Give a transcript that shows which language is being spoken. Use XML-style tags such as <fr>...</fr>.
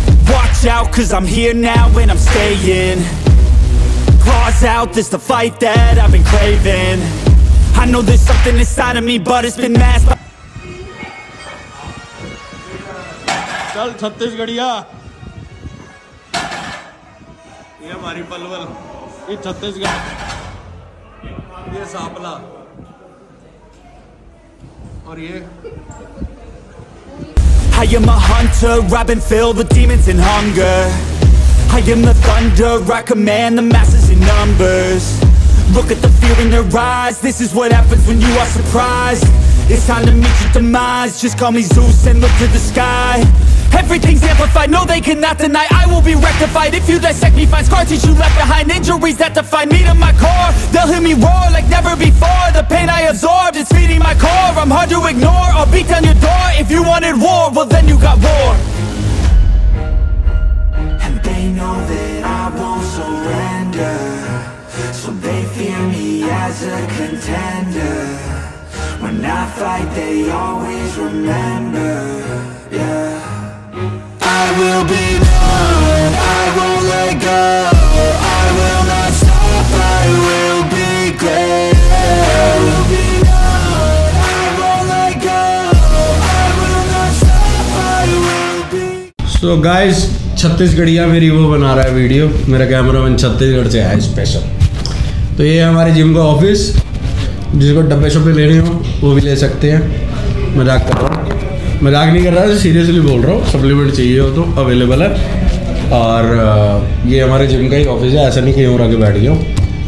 <en>Watch out, 'cause I'm here now and I'm staying. Claws out, this the fight that I've been craving. I know there's something inside of me, but it's been masked.</en> <hi>चल छत्तीसगढ़िया, ये हमारी पलवल, ये छत्तीसगढ़, ये सांपला, और ये।</hi> <en>I am a hunter, rapping filled with demons and hunger. I am the thunder, I command the masses in numbers. Look at the fear in their eyes, this is what happens when you are surprised. It's time to meet your demise, just call me Zeus and look to the sky. Everything's amplified, no they cannot deny. I will be rectified if you dissect me, find scars that you left behind, injuries that define me to my core. They'll hear me roar like never before, the pain I absorbed is feeding my core. I'm hard to ignore, I'll beat down your door. If you wanted war, well then you got war. And they know that I won't surrender, so they fear me as a contender. When I fight they always remember, yeah. I will be done, I won't let go. I will not stop, I will be great. I will be done, I won't let go. I will not stop, I will be. So guys,</en> <hi>छत्तीसगढ़िया मेरी वो बना रहा है video, मेरा cameraman Chhattisgarh से है special. तो ये हमारे जिम का ऑफिस, जिसको डब्बे शब्बे लेने हो वो भी ले सकते हैं। मजाक कर रहा हूँ, मजाक नहीं कर रहा, सीरियसली बोल रहा हूँ। सप्लीमेंट चाहिए हो तो अवेलेबल है, और ये हमारे जिम का ही ऑफिस है, ऐसा नहीं कहीं और आके बैठ गया हूँ।</hi>